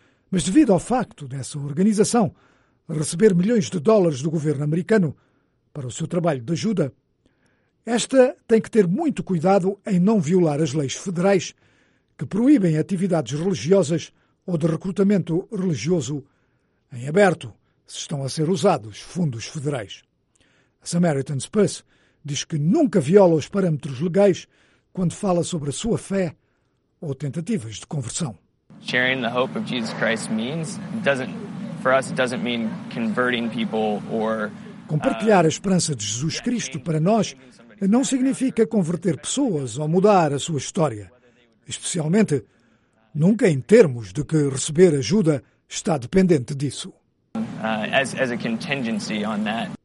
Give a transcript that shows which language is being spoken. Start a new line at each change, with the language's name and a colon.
Portuguese: Mas devido ao facto dessa organização receber milhões de dólares do governo americano para o seu trabalho de ajuda, esta tem que ter muito cuidado em não violar as leis federais que proíbem atividades religiosas ou de recrutamento religioso em aberto, se estão a ser usados fundos federais. A Samaritan's Purse diz que nunca viola os parâmetros legais quando fala sobre a sua fé ou tentativas de conversão.
English: Sharing the hope of Jesus Christ means doesn't for us doesn't mean converting people or
Portuguese: compartilhar a esperança de Jesus Cristo para nós não significa converter pessoas ou mudar a sua história, especialmente nunca em termos de que receber ajuda está dependente disso.
English: As a contingency on that.